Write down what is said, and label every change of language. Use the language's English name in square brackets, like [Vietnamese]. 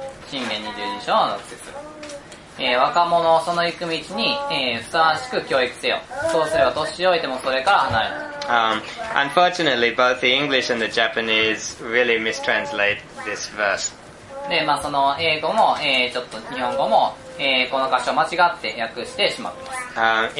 [Japanese] 箴言22章の6節、若者をその行く道に、ふさわしく教育せよ。そうすれば年老いてもそれから離れない。 [English] Unfortunately, both the English and the Japanese really mistranslate this verse. [Japanese] で、まあその英語も、ちょっと日本語も、この箇所間違って訳してしまっています。